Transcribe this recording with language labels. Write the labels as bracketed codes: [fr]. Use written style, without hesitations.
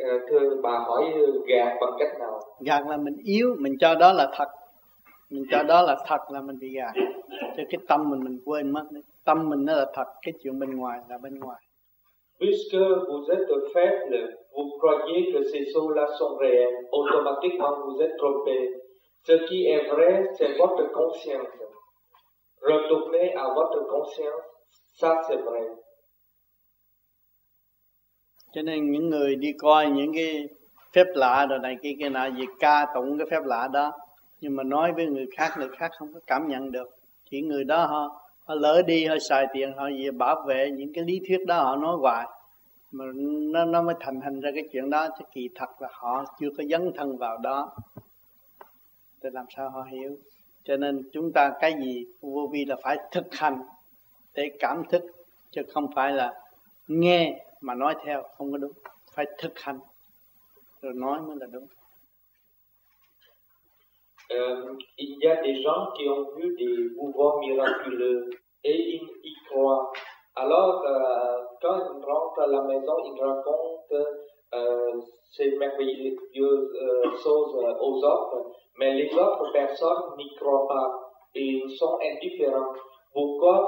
[vi] Thưa bà hỏi gạt bằng cách nào? Gạt là mình yếu, mình cho đó là thật. Mình cho đó là thật là mình bị gạt. Cho cái tâm mình quên mất. Tâm mình nó là thật, cái chuyện bên ngoài là bên ngoài. [fr] Puisque vous êtes faible, vous croyez que ces choses-là sont réelles. Automatiquement, vous êtes trompé. Ce qui est vrai, c'est votre conscience. Retournez à votre conscience, ça c'est vrai. [vi] Cho nên những người đi coi những cái phép lạ rồi này kia nọ, gì ca tụng cái phép lạ đó, nhưng mà nói với người khác không có cảm nhận được. Chỉ người đó họ lỡ đi, họ xài tiền, họ gì bảo vệ những cái lý thuyết đó họ nói hoài, mà nó mới thành hình ra cái chuyện đó, chứ kỳ thật là họ chưa có dấn thân vào đó. Thì làm sao họ hiểu? Cho nên chúng ta cái gì vô vi là phải thực hành để cảm thức, chứ không phải là nghe mà nói theo, không có đúng. Phải thực hành rồi nói mới là đúng. [fr] Il y a des gens qui ont vu des pouvoirs miraculeux et ils y croient. Alors, quand ils rentrent à la maison, ils racontent ces merveilleuses choses aux autres, mais les autres personnes n'y croient pas et ils sont indifférents. Pourquoi?